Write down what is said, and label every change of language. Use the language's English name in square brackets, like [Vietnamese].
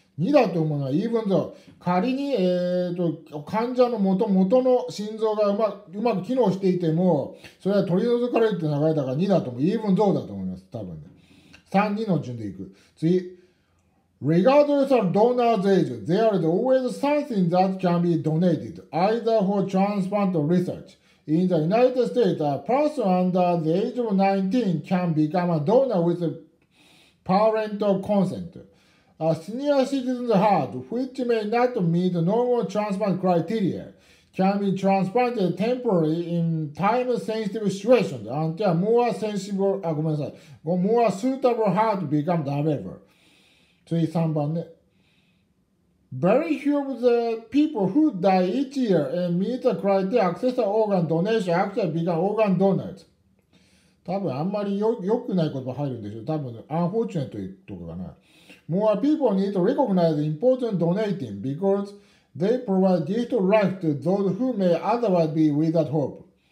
[Japanese] 2だと思うのは、 [English] even though、 [Japanese] 仮に、患者の元の心臓がうまく機能していても、それは取り除かれるって流れだから2だと思う。 [English] even though [Japanese] だと思います。多分ね。3、2の順でいく。次。 [English] Regardless of donor's age, there is always something that can be donated, either for transplant or research. In the United States, a person under the age of 19 can become a donor with parental consent. A senior citizen's heart, which may not meet normal transplant criteria, can be transplanted temporarily in time-sensitive situations until a more sensible, more suitable heart becomes available. [Japanese] 次3番ね。 [English] Very few of the people who die each year and meet the criteria access to organ donation actually become organ donors. [Japanese] 多分あんまり良くない言葉入るんでしょう。多分 unfortunate とかかな。 More people need to recognize the important donating because they provide gift of life to those who may otherwise be without hope.